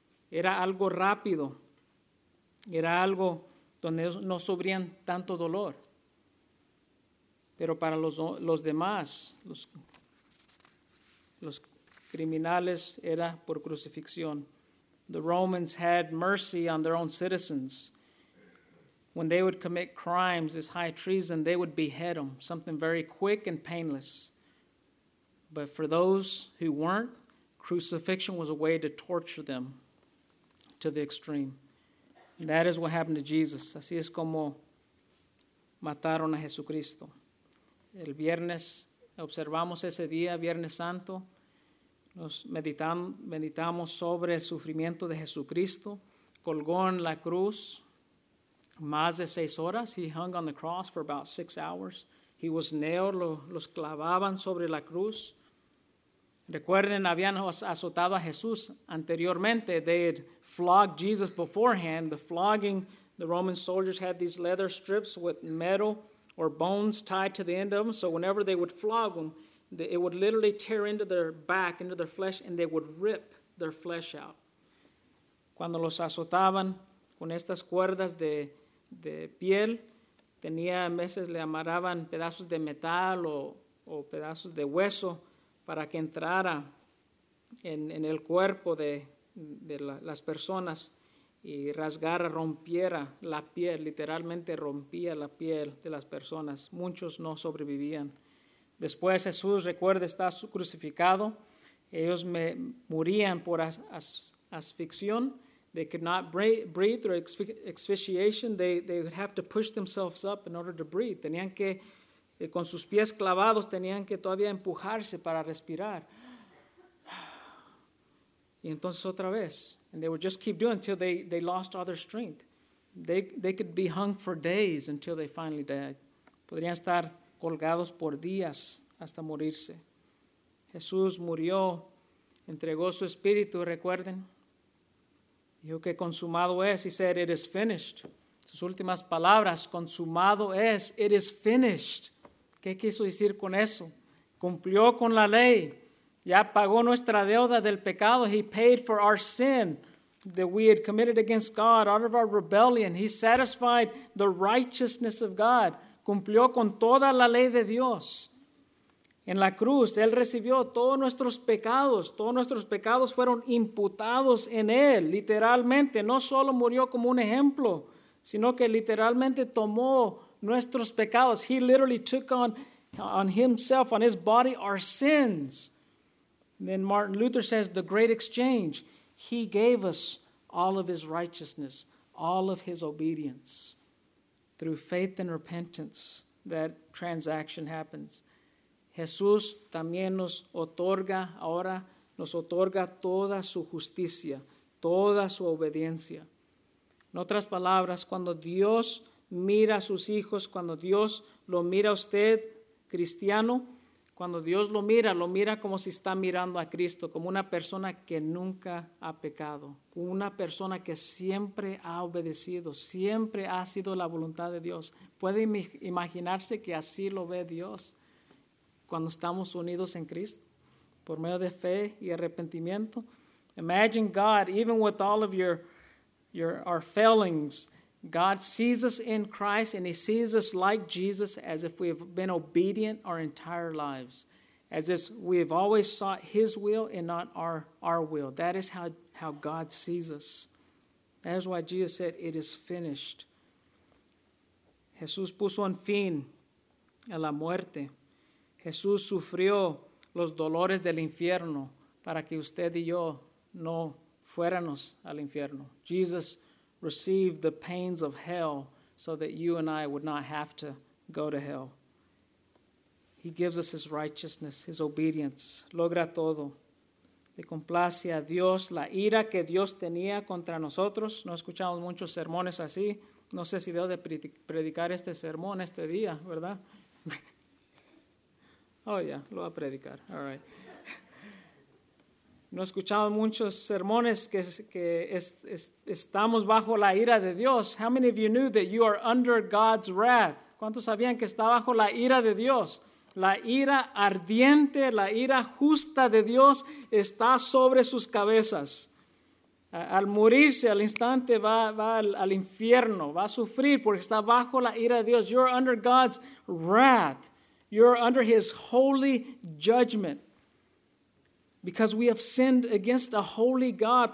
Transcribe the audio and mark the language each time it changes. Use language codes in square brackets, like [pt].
[es] Era algo rápido. Era algo donde no sufrían tanto dolor. Pero para los demás, los criminales, era por crucifixión. [en] The Romans had mercy on their own citizens. When they would commit crimes, this high treason, they would behead them. Something very quick and painless. But for those who weren't, crucifixion was a way to torture them to the extreme. And that is what happened to Jesus. [es] Así es como mataron a Jesucristo. El viernes, observamos ese día, Viernes Santo, nos meditamos sobre el sufrimiento de Jesucristo. Colgó en la cruz más de 6 horas. [en] He hung on the cross for about 6 hours. He was nailed, [es] los clavaban sobre la cruz. Recuerden, habían azotado a Jesús anteriormente. [en] They had flogged Jesus beforehand. The flogging, the Roman soldiers had these leather strips with metal or bones tied to the end of them. So whenever they would flog them, it would literally tear into their back, into their flesh, and they would rip their flesh out. [es] Cuando los azotaban con estas cuerdas de piel, tenía meses le amarraban pedazos de metal o pedazos de hueso para que entrara en el cuerpo de las personas y rasgara, rompiera la piel, literalmente rompía la piel de las personas. Muchos no sobrevivían. Después Jesús, recuerde, está crucificado. Ellos morían por asfixión. [en] They could not breathe or asphyxiation. They would have to push themselves up in order to breathe. [es] Tenían que, con sus pies clavados, tenían que todavía empujarse para respirar. Y entonces otra vez. [en] And they would just keep doing until they lost all their strength. They could be hung for days until they finally died. [es] Podrían estar colgados por días hasta morirse. Jesús murió, entregó su espíritu, recuerden. Dijo que consumado es. [en] He said, it is finished. [es] Sus últimas palabras, consumado es. [en] It is finished. [es] ¿Qué quiso decir con eso? Cumplió con la ley. Ya pagó nuestra deuda del pecado. [en] He paid for our sin that we had committed against God out of our rebellion. He satisfied the righteousness of God. [es] Cumplió con toda la ley de Dios. En la cruz, Él recibió todos nuestros pecados. Todos nuestros pecados fueron imputados en Él, literalmente. No solo murió como un ejemplo, sino que literalmente tomó nuestros pecados. [en] He literally took on Himself, on His body, our sins. And then Martin Luther says, the great exchange. He gave us all of His righteousness, all of His obedience. Through faith and repentance, that transaction happens. [es] Jesús también nos otorga ahora, nos otorga toda su justicia, toda su obediencia. En otras palabras, cuando Dios mira a sus hijos, cuando Dios lo mira a usted, cristiano, cuando Dios lo mira como si está mirando a Cristo, como una persona que nunca ha pecado, como una persona que siempre ha obedecido, siempre ha sido la voluntad de Dios. ¿Puede imaginarse que así lo ve Dios cuando estamos unidos en Cristo por medio de fe y arrepentimiento? [en] Imagine God, even with all of our failings, God sees us in Christ and He sees us like Jesus as if we have been obedient our entire lives, as if we have always sought His will and not our will. That is how God sees us. That is why Jesus said, it is finished. [es] Jesús puso un fin a la muerte. Jesús sufrió los dolores del infierno para que usted y yo no fuéramos al infierno. [en] Jesus received the pains of hell so that you and I would not have to go to hell. He gives us His righteousness, His obedience. [es] Logra todo. Le complace a Dios la ira que Dios tenía contra nosotros. No escuchamos muchos sermones así. No sé si debo de predicar este sermón este día, ¿verdad? [en] Oh, yeah, [es] lo va a predicar. [en] All right. [es] No escuchamos muchos sermones que estamos bajo la ira de Dios. [en] How many of you knew that you are under God's wrath? [es] ¿Cuántos sabían que está bajo la ira de Dios? La ira ardiente, la ira justa de Dios está sobre sus cabezas. Al morirse, al instante, va al infierno. Va a sufrir porque está bajo la ira de Dios. [en] You're under God's wrath. You're under His holy judgment. Because we have sinned against a holy God.